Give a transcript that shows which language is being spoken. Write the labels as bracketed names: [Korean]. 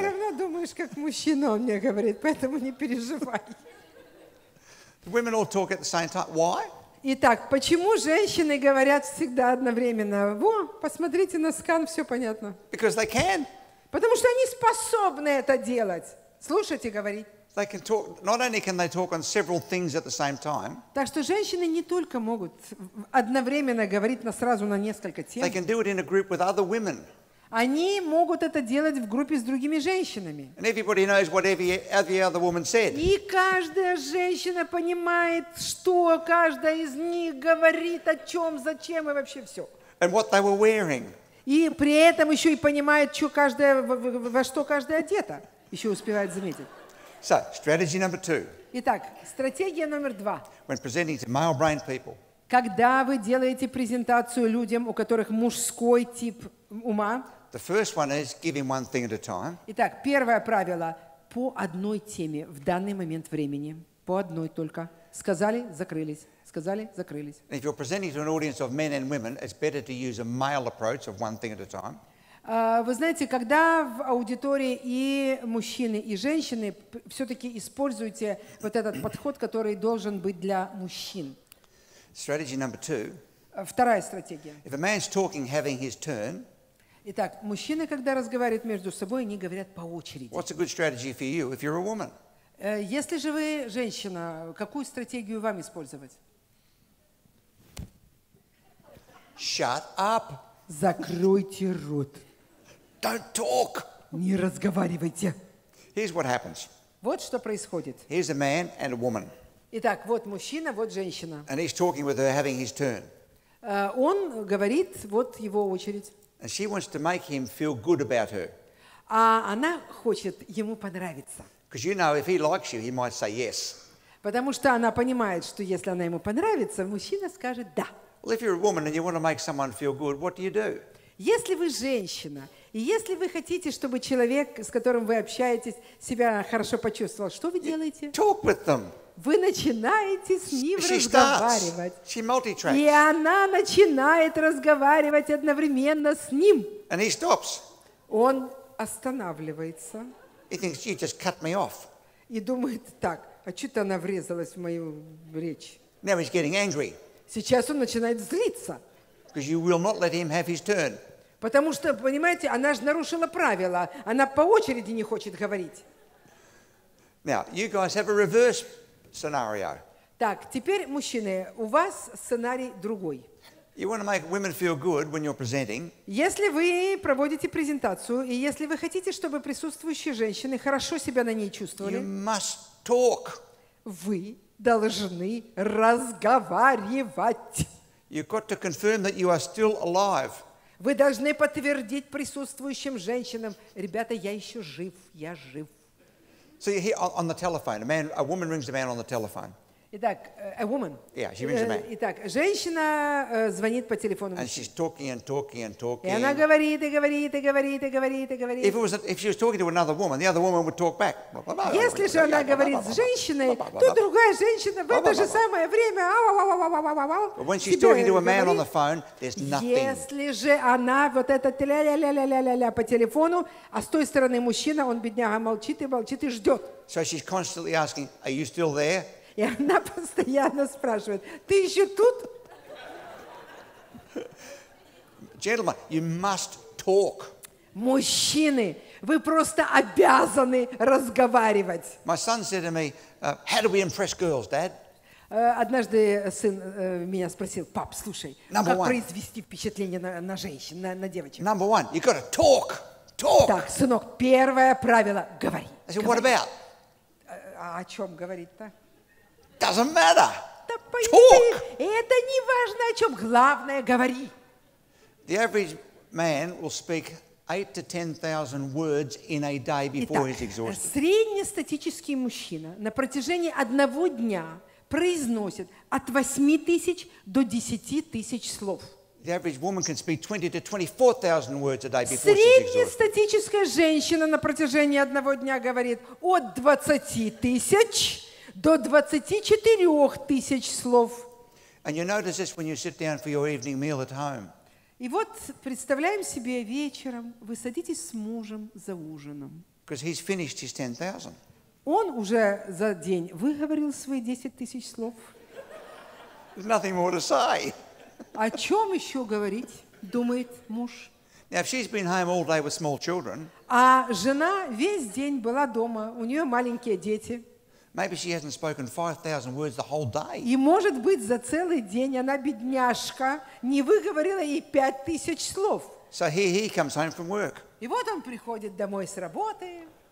[Russian] Ты все равно думаешь, как мужчина, он мне говорит, поэтому не переживай. [English] Women all talk at the same time. Why? [Russian] Итак, почему женщины говорят всегда одновременно? Во, посмотрите на скан, все понятно. Because they can. Потому что они способны это делать. Слушать и говорить. [English] They can talk. Not only can they talk on several things at the same time. [Russian] Так что женщины не только могут одновременно говорить на сразу на несколько тем. [English] They can do it in a group with other women. [Russian] Они могут это делать в группе с другими женщинами. [English] And everybody knows what every other woman said. [Russian] И каждая женщина понимает, что каждая из них говорит, о чем, зачем и вообще все. [English] And what they were wearing. [Russian] И при этом еще и понимает, что каждая, во что каждая одета, еще успевает заметить. [English] So, strategy number two. [Russian] Итак, стратегия номер два. [English] When presenting to male brain people. [Russian] Когда вы делаете презентацию людям, у которых мужской тип ума. [English] The first one is giving one thing at a time. [Russian] Итак, первое правило по одной теме в данный момент времени, по одной только. Сказали, закрылись. Сказали, закрылись. [English] If you're presenting to an audience of men and women, it's better to use a male approach of one thing at a time. [Russian] Вы знаете, когда в аудитории и мужчины, и женщины, все-таки используйте вот этот подход, который должен быть для мужчин. [English] Strategy number two. [Russian] Вторая стратегия. [English] If a man's talking, having his turn. [Russian] Итак, мужчины, когда разговаривают между собой, они говорят по очереди. [English] What's a good strategy for you if you're a woman? [Russian] Если же вы женщина, какую стратегию вам использовать? [English] Shut up. [Russian] Закройте рот. [English] Don't talk. [Russian] Не разговаривайте. [English] Here's what happens. [Russian] Вот что происходит. [English] Here's a man and a woman. [Russian] Итак, вот мужчина, вот женщина. [English] And he's talking with her, having his turn. [Russian] Он говорит, вот его очередь. [English] And she wants to make him feel good about her. [Russian] А она хочет ему понравиться. [English] Because you know, if he likes you, he might say yes. [Russian] Потому что она понимает, что если она ему понравится, мужчина скажет да. [English] Well, if you're a woman and you want to make someone feel good, what do you do? [Russian] Если вы женщина, и если вы хотите, чтобы человек, с которым вы общаетесь, себя хорошо почувствовал, что вы делаете? [English] Talk with them. [Russian] Вы начинаете с ним разговаривать. [English] She multitracks. [Russian] И она начинает разговаривать одновременно с ним. [English] And he stops. [Russian] Он останавливается. [English] He thinks, you just cut me off. [Russian] И думает так, а что-то она врезалась в мою речь. [English] Now he's getting angry. [Russian] Сейчас он начинает злиться. [English] Because you will not let him have his turn. [Russian] Потому что, понимаете, она же нарушила правила. Она по очереди не хочет говорить. [English] Now, you guys have a reverse scenario. [Russian] Так, теперь, мужчины, у вас сценарий другой. [English] You want to make women feel good when you're presenting. [Russian] Если вы проводите презентацию, и если вы хотите, чтобы присутствующие женщины хорошо себя на ней чувствовали, [English] you must talk. [Russian] Вы должны разговаривать. [English] You've got to confirm that you are still alive. [Russian] Вы должны подтвердить присутствующим женщинам, ребята, я еще жив, я жив. [English] So you're here on the telephone. A woman rings a man on the telephone. [Russian] Итак, [English] a woman. Yeah, she rings a man. [Russian] Итак, женщина звонит по телефону. [English] And she's talking and talking and talking. [Russian] И она говорит, и говорит, и говорит, и говорит, и говорит. [English] If she was talking to another woman, the other woman would talk back. [Russian] Если же она говорит с женщиной, то другая женщина в это же самое время. [English] But when she's talking to a man on the phone, there's nothing. [Russian] Если же она вот это ля-ля-ля-ля-ля-ля по телефону, а с той стороны мужчина, он бедняга молчит и молчит и ждет. [English] So she's constantly asking, "Are you still there?" [Russian] И она постоянно спрашивает, ты еще тут? [English] Gentlemen, you must talk. [Russian] Мужчины, вы просто обязаны разговаривать. [English] My son said to me, how do we impress girls, Dad? [Russian] Однажды сын меня спросил, пап, слушай, [English] Number [Russian] как [English] one. [Russian] Произвести впечатление на женщин, на девочек? [English] Number one, you gotta talk, talk. [Russian] Так, сынок, первое правило, говори. [English] I said, [Russian] говори. [English] What about? [Russian] О чем говорить-то? [English] Doesn't matter. [Russian] Да, [English] Talk. [Russian] Это не важно, о чем. Главное, говори. [English] The average man will speak 8,000 to 10,000 words in a day before [Russian] Итак, [English] he's exhausted. [Russian] Среднестатический мужчина на протяжении одного дня произносит от 8,000 [English] to [Russian] 10,000 слов. [English] The average woman can speak 20,000 to 24,000 words a day before [Russian] Среднестатическая женщина на протяжении одного дня говорит от 20,000 до 24,000 слов. [English] And you notice this when you sit down for your evening meal at home. [Russian] И вот представляем себе вечером вы садитесь с мужем за ужином. [English] Because he's finished his 10,000. [Russian] Он уже за день выговорил свои 10,000 слов. [English] There's nothing more to say. [Russian] О чем еще говорить, думает муж. [English] Now, if she's been home all day with small children. [Russian] А жена весь день была дома, у нее маленькие дети. [English] Maybe she hasn't spoken 5,000 words the whole day. [Russian] И может быть за целый день она бедняжка не выговорила ей 5,000 слов. [English] So here he comes home from work. [Russian] И вот он приходит домой с работы.